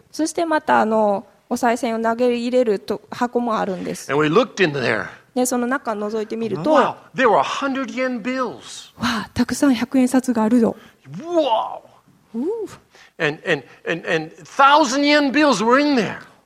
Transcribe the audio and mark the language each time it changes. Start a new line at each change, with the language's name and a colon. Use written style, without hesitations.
Japanese: そしてまたお賽銭を投げ入れると箱もあるんです。
English: And we looked in there.
Japanese: でその中を覗いてみると、
English: wow, there were 100 yen bills.
Japanese: わあ、たくさん100円札があるぞ。
English: Wow. Ooh. And 1000 yen bills were in there.